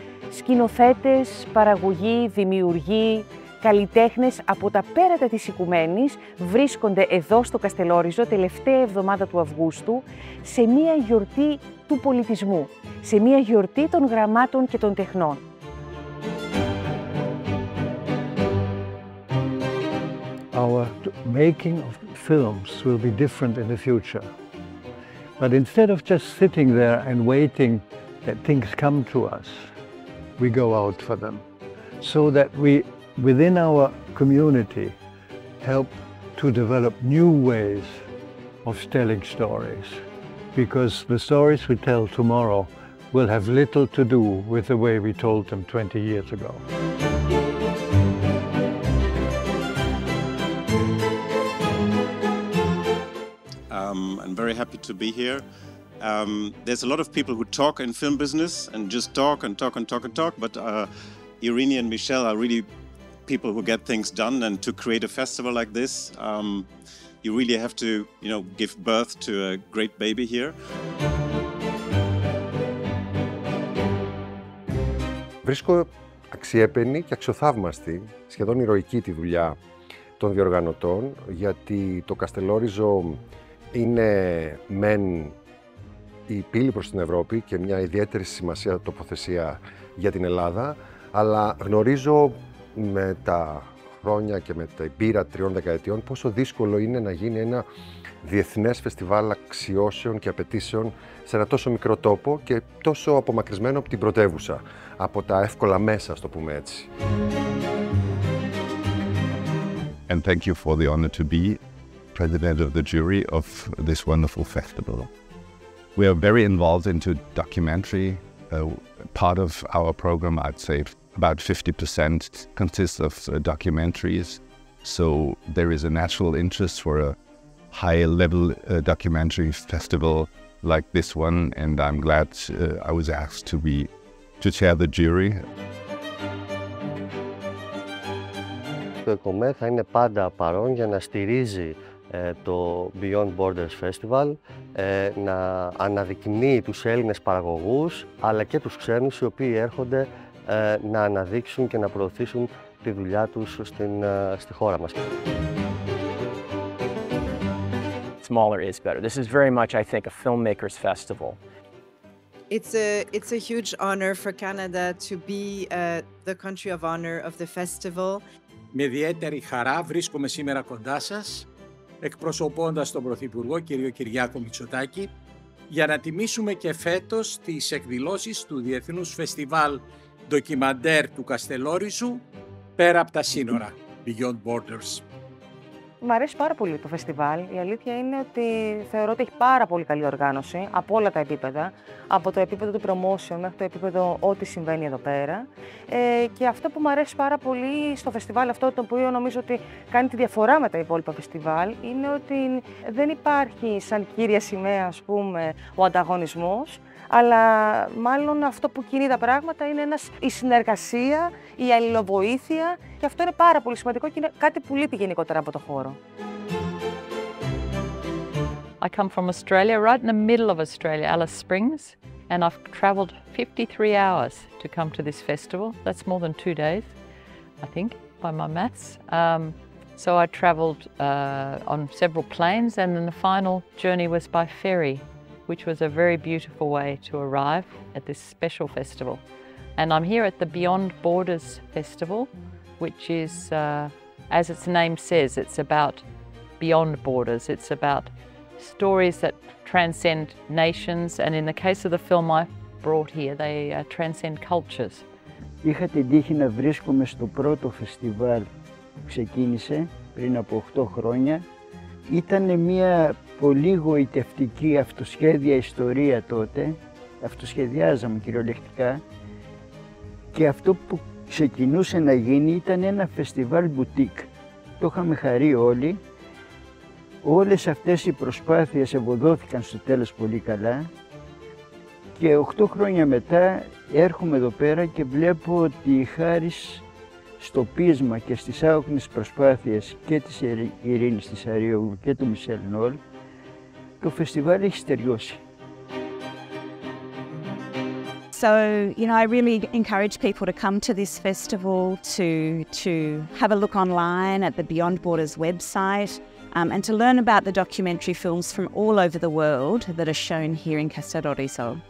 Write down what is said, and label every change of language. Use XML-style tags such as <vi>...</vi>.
<el>Σκηνοθέτες, παραγωγοί, δημιουργοί, καλλιτέχνες από τα πέρατα της Οικουμένης βρίσκονται εδώ στο Καστελόριζο τελευταία εβδομάδα του Αυγούστου σε μία γιορτή του πολιτισμού, σε μία γιορτή των γραμμάτων και των τεχνών.</el> <en>Our making of films will be different in the future. But instead of just sitting there and waiting that things come to us, we go out for them. So that we, within our community, help to develop new ways of telling stories. Because the stories we tell tomorrow will have little to do with the way we told them 20 years ago. I'm very happy to be here. There's a lot of people who talk in film business and just talk and talk and talk and talk, but Irini and Michelle are really people who get things done, and to create a festival like this, you really have to, you know, give birth to a great baby here.</en> <el>Βρίσκω αξιέπαινη και αξιοθαύμαστη, σχεδόν ηρωική τη δουλειά των διοργανωτών, γιατί το Καστελόριζο είναι μεν η πύλη προς την Ευρώπη και μια ιδιαίτερη σημασία τοποθεσία για την Ελλάδα, αλλά γνωρίζω με τα χρόνια και με την πείρα τριών δεκαετιών πόσο δύσκολο είναι να γίνει ένα διεθνές φεστιβάλ αξιώσεων και απαιτήσεων σε ένα τόσο μικρό τόπο και τόσο απομακρυσμένο από την πρωτεύουσα, από τα εύκολα μέσα, ας το πούμε έτσι.</el> <en>And thank you for the honor to be president of the jury of this wonderful festival. We are very involved into documentary. Part of our program, I'd say about 50% consists of documentaries. So there is a natural interest for a high level documentary festival like this one. And I'm glad I was asked to chair the jury.</en> <el>Το ΕΚΟΜΕ θα είναι πάντα παρόν για να στηρίζει το Beyond Borders Festival, να αναδεικνύει τους Έλληνες παραγωγούς, αλλά και τους ξένους οι οποίοι έρχονται να αναδείξουν και να προωθήσουν τη δουλειά τους στη χώρα μας.</el> <en>Smaller is better. This is very much, I think, a filmmakers festival. It's a huge honor for Canada to be the country of honor of the festival.</en> <el>Με ιδιαίτερη χαρά βρίσκομαι σήμερα κοντά σας, εκπροσωπώντας τον Πρωθυπουργό κύριο Κυριάκο Μητσοτάκη, για να τιμήσουμε και φέτος τις εκδηλώσεις του Διεθνούς Φεστιβάλ Ντοκιμαντέρ του Καστελόριζου πέρα από τα σύνορα, Beyond Borders. Μ' αρέσει πάρα πολύ το φεστιβάλ. Η αλήθεια είναι ότι θεωρώ ότι έχει πάρα πολύ καλή οργάνωση από όλα τα επίπεδα. Από το επίπεδο του promotion μέχρι το επίπεδο ό,τι συμβαίνει εδώ πέρα. Και αυτό που μου αρέσει πάρα πολύ στο φεστιβάλ αυτό, το οποίο νομίζω ότι κάνει τη διαφορά με τα υπόλοιπα φεστιβάλ, είναι ότι δεν υπάρχει σαν κύρια σημαία, ας πούμε, ο ανταγωνισμός. Αλλά μάλλον αυτό που κινεί τα πράγματα είναι η συνεργασία, η αλληλοβοήθεια, και αυτό είναι πάρα πολύ σημαντικό και είναι κάτι που λείπει γενικότερα από το χώρο.</el> <en>I come from Australia, right in the middle of Australia, Alice Springs, and I've traveled 53 hours to come to this festival. That's more than 2 days, I think, by my maths. So I traveled on several planes, and then the final journey was by ferry, which was a very beautiful way to arrive at this special festival. And I'm here at the Beyond Borders Festival, which is, as its name says, it's about beyond borders. It's about stories that transcend nations, and in the case of the film I brought here, they transcend cultures.</en> <el>Είχα την τύχη να βρίσκομαι στο πρώτο φεστιβάλ που ξεκίνησε πριν από 8 χρόνια. Ήταν μια πολύ γοητευτική αυτοσχέδια ιστορία τότε. Αυτοσχεδιάζαμε κυριολεκτικά. Και αυτό που ξεκινούσε να γίνει ήταν ένα φεστιβάλ μπουτίκ. Το είχαμε χαρεί όλοι. Όλες αυτές οι προσπάθειες ευωδόθηκαν στο τέλος πολύ καλά. Και 8 χρόνια μετά έρχομαι εδώ πέρα και βλέπω ότι χάρη στο πείσμα και στις άοκνες προσπάθειες και της Ειρήνης της Αριόγλου και του Μισελ Νόλ, το φεστιβάλ έχει στεριώσει.</el> <en>So, you know, I really encourage people to come to this festival to have a look online at the Beyond Borders website and to learn about the documentary films from all over the world that are shown here in Castellorizo.</en>